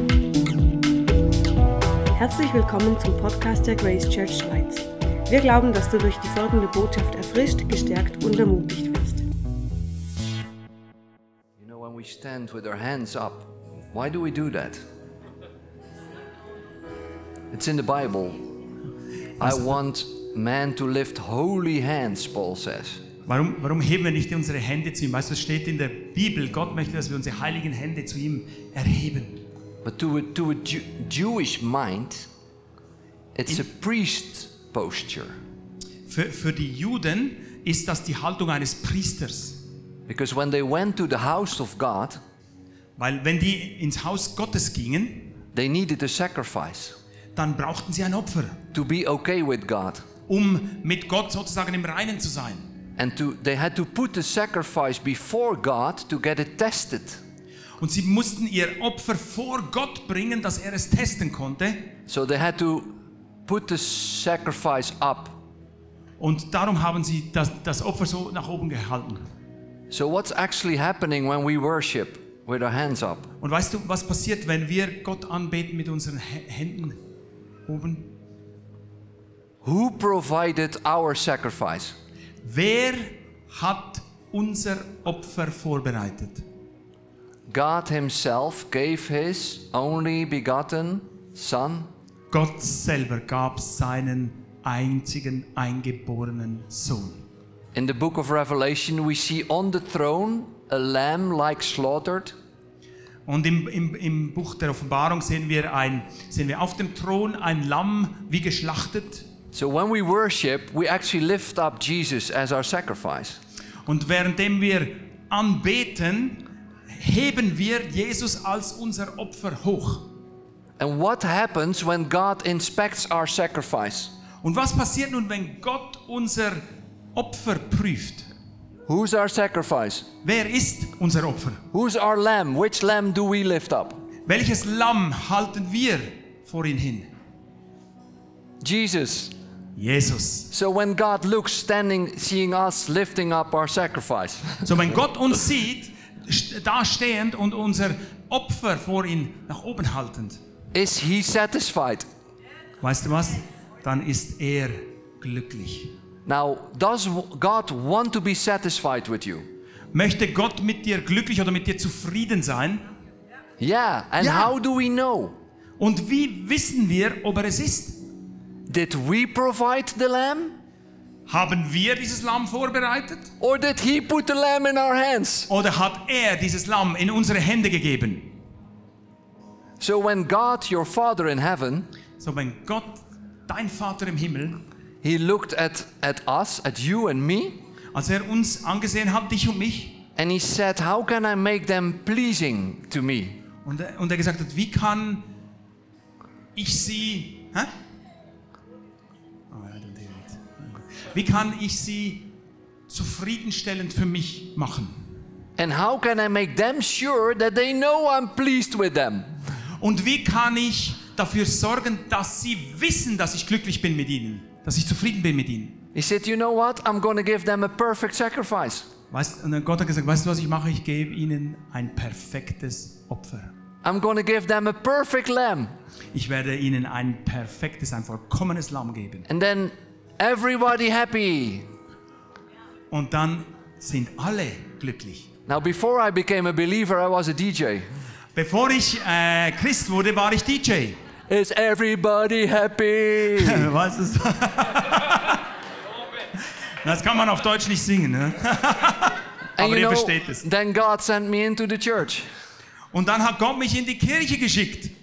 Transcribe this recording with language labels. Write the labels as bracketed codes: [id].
[de] Herzlich willkommen zum Podcast der Grace Church Schweiz. Wir glauben, dass du durch die folgende Botschaft erfrischt, gestärkt und ermutigt wirst. [en] You know, when we stand with our hands up, why do we do that? It's in the Bible. I want man to lift holy hands, Paul says. [de] Warum heben wir nicht unsere Hände zu ihm? Weißt du, es steht in der Bibel, Gott möchte, dass wir unsere heiligen Hände zu ihm erheben. [en] But to a Jewish mind, it's a priest posture. [de] Für die Juden ist das die Haltung eines Priesters. [en] Because when they went to the house of God, [de] weil wenn die ins Haus Gottes gingen, [en] they needed a sacrifice. [de] Dann brauchten sie ein Opfer. [en] To be okay with God. [de] Um mit Gott sozusagen im Reinen zu sein. [en] And they had to put the sacrifice before God to get it tested. [de] Und sie mussten ihr Opfer vor Gott bringen, dass er es testen konnte. [en] So they had to put the sacrifice up. [de] Und darum haben sie das Opfer so nach oben gehalten. [en] So what's actually happening when we worship with our hands up? [de] Und weißt du, was passiert, wenn wir Gott anbeten mit unseren Händen oben? [en] Who provided our sacrifice? [de] Wer hat unser Opfer vorbereitet? [en] God himself gave his only begotten son. [de] Gott selber gab seinen einzigen eingeborenen Sohn. [en] In the book of Revelation we see on the throne a lamb like slaughtered. [de] Und im Buch der Offenbarung sehen wir auf dem Thron ein Lamm wie geschlachtet. [en] So when we worship, we actually lift up Jesus as our sacrifice. [de] Und währenddem wir anbeten, heben wir Jesus als unser Opfer hoch. [en] And what happens when God inspects our sacrifice? [de] Und was passiert nun, wenn Gott unser Opfer prüft? [en] Who's our sacrifice? [de] Wer ist unser Opfer? [en] Who's our lamb? Which lamb do we lift up? [de] Welches Lamm halten wir vor ihn hin? [en] Jesus. [de] Jesus. [en] So when God looks standing, seeing us lifting up our sacrifice. [de] So wenn Gott uns sieht, da stehend und unser Opfer vor ihn nach oben haltend. [en] Is he satisfied? [de] Weißt du was? Dann ist er glücklich. [en] Now, does God want to be satisfied with you? [de] Möchte Gott mit dir glücklich oder mit dir zufrieden sein? [en] Yeah, and ja. How do we know? [de] Und wie wissen wir, ob er es ist? [en] Did we provide the lamb? [de] Haben wir dieses Lamm vorbereitet? [en] Or did he put the lamb in our hands? [de] Oder hat er dieses Lamm in unsere Hände gegeben? [en] So when God, your Father in heaven, [de] so wenn Gott, dein Vater im Himmel, [en] he looked at us, at you and me, [de] als er uns angesehen hat, dich und mich, [en] and he said, how can I make them pleasing to me? [de] Und er gesagt hat, wie kann ich sie, hä? Wie kann ich sie zufriedenstellend für mich machen? [en] And how can I make them sure that they know I'm pleased with them? [de] Und wie kann ich dafür sorgen, dass sie wissen, dass ich glücklich bin mit ihnen, dass ich zufrieden bin mit ihnen? [en] He said, you know what? I'm going to give them a perfect sacrifice. [de] Und Gott hat gesagt, weißt du was ich mache? Ich gebe ihnen ein perfektes Opfer. [en] I'm going to give them a perfect lamb. [de] Ich werde ihnen ein perfektes, ein vollkommenes Lamm geben. [en] And then everybody happy. [de] Und dann sind alle glücklich. [en] Now before I became a believer, I was a DJ. [de] Bevor ich Christ wurde, war ich DJ. [en] Is everybody happy? [de] Was ist? Das kann man auf Deutsch nicht singen, ne? Aber [en] you [de] ihr versteht es. [en] Then God sent me into the church. [de] Und dann hat Gott mich in die Kirche geschickt.